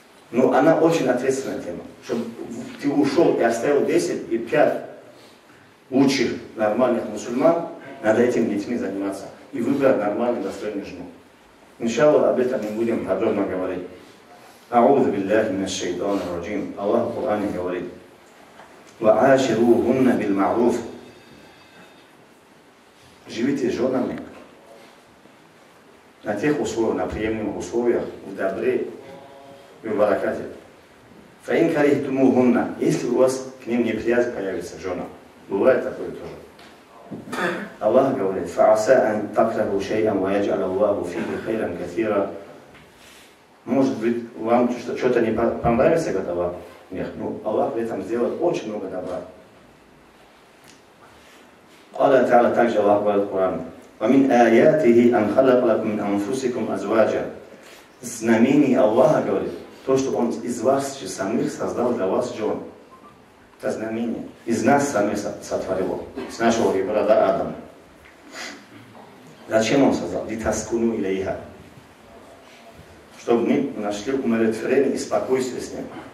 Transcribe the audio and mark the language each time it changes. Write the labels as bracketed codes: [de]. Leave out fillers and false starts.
[ru] Но она очень ответственная тема. Чтобы ты ушел и оставил 10 и 5 лучших нормальных мусульман, надо этими детьми заниматься. И выбрать нормальную достойную жену. Иншаллах, об этом мы будем подробно говорить. [ar] أعوذ بالله من الشيطان الرجيم. [ru] Аллах в Коране говорит. [ar] وعاشروهن بالمعروف. [ru] Живите с женами на тех условиях, на приемлемых условиях, в добре и в баракате. [ar] Фаин карихтумухунна. [ru] Если у вас к ним неприязнь появится, жена. Бывает такое тоже. Аллах говорит, [ar] фааса ан такраху шейам ва яджаля Аллаху фихи хайран катира. [ru] Может быть, вам что-то не понравится, говорит Аллах. Нет, ну Аллах в этом сделает очень много добра. Аллах Та'ала также Аллах говорит в Коране. [ar] ومن آياته أن خلق لكم من أنفسكم أزواجا. [ru] Знамение Аллаха говорит, то, что Он из вас же самих создал для вас жен. Это знамение. Из нас самих сотворил. С нашего ребра, да, Адама. Зачем он создал? [ar] Литаскуну илейха. [ru] Чтобы мы нашли умиротворение и спокойствие с ним.